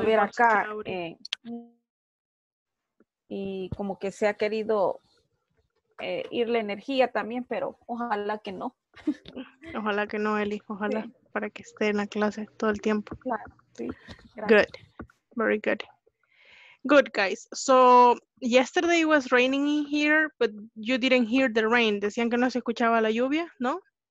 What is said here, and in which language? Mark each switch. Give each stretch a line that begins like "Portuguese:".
Spanish: Y ver acá, y como que se ha querido ir la energía también, pero ojalá que no. Ojalá que no, Eli, ojalá, sí, para que esté en la clase todo el tiempo. Claro, sí.
English: Good, very good. Good, guys. So, yesterday was raining in here, but you didn't hear the rain.
Spanish: Decían que no se escuchaba la lluvia, ¿no?